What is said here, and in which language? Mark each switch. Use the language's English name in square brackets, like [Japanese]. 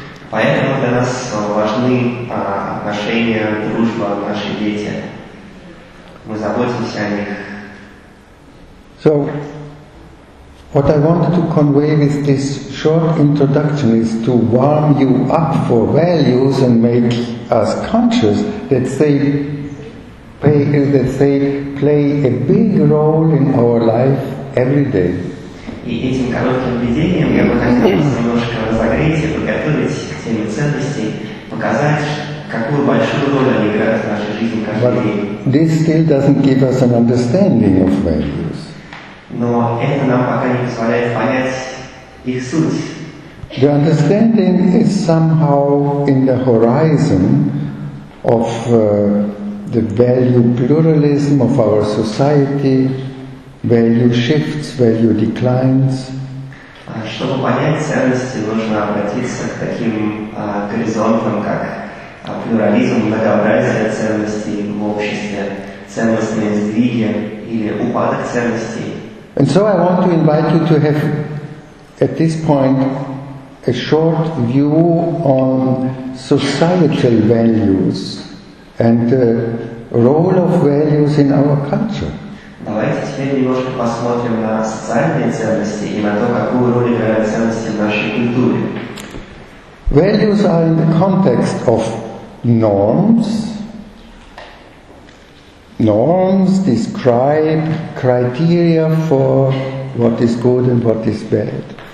[Russian] Поэтому для нас важны отношения, дружба, наши дети. Мы заботимся о них. [English] So, what I wanted to convey with this short introduction is to warm you up for values and make us conscious that they play a big role in our life every day. [Russian] И этим коротким введением я бы хотел немножко разогреть и подготовить к теме ценностей, показать, какую большую роль они играют в нашей жизни каждый день. [English] This still doesn't give us an understanding of values. [Russian] Но это нам пока не позволяет понять их суть. [English] The understanding is somehow in the horizon of the value pluralism of our society, value shifts, value declines. [Russian] Чтобы понять ценности, нужно обратиться к таким горизонтам, как плюрализм, многообразие ценностей в обществе, ценностные сдвиги или упадок ценностей. [English] And so I want to invite you to have, at this point, a short view on societal values and the role of values in our culture. [Russian] Давайте теперь немножко посмотрим на социальные ценности и на то, какую роль играют ценности в нашей культуре. [English] Values are in the context of norms. Norms describe criteria for what is good and what is bad.